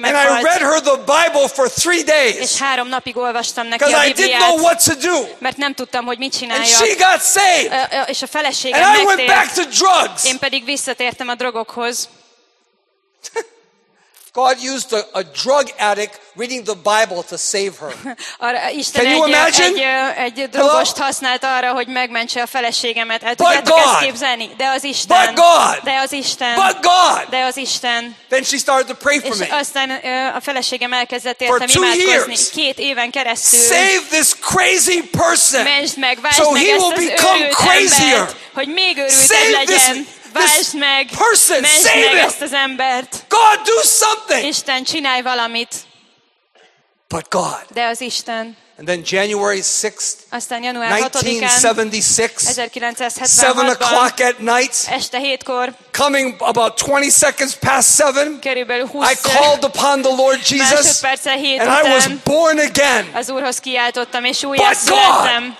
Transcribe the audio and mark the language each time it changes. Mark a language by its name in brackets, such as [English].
[Hungarian] meghalt. [English] And I read her the Bible for 3 days. [Hungarian] És 3 napig olvastam neki a Bibliát. [English] Because I didn't know what to do. [Hungarian] Mert nem tudtam, hogy mit csináljak. [English] And she got saved. [Hungarian] És a feleségem megtért. [English] And I went back to drugs. [Hungarian] Én pedig visszatértem a drogokhoz. [English] God used a drug addict reading the Bible to save her. [Hungarian] Isten egy drogost használt arra, hogy megmentse a feleségemet. El tudjátok ezt képzelni? De az Isten. [English] But God. [Hungarian] De az Isten. [English] But God. [Hungarian] De az Isten. [English] Then she started to pray for me. [Hungarian] És aztán a feleségem elkezdett értem imádkozni. 2 éven keresztül. [English] Save this crazy person. [Hungarian] Mentsd meg, váltsd meg ezt az őrült embert. [English] So he will become crazier. [Hungarian] Hogy még őrültebb legyen. Váltsd meg, [English] person, [Hungarian] mentsd meg ezt az embert. [English] God, do something. [Hungarian] Isten, csinálj valamit. [English] But God. [Hungarian] De az Isten. [English] And then January 6th, [Hungarian] aztán január 1976, 7 [English] o'clock at night, [Hungarian] este 7-kor, [English] coming about 20 seconds past 7, [Hungarian] körülbelül 20 [English] I called upon the Lord Jesus, and I was born again. [Hungarian] Az Úrhoz kiáltottam, és újjászülettem.